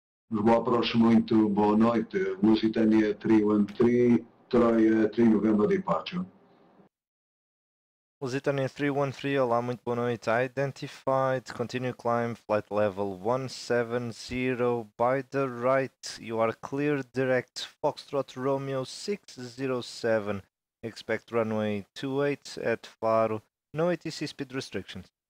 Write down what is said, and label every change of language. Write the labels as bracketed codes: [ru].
[pt] Boa próxima, muito boa noite. [en] Lusitânia 313, Troia 3 November Departure. [pt] Lusitânia 313, olá, muito boa noite. [en] Identified, continue climb, flight level 170, by the right, you are clear, direct, Foxtrot Romeo 607, expect runway 28 at Faro, no ATC speed restrictions.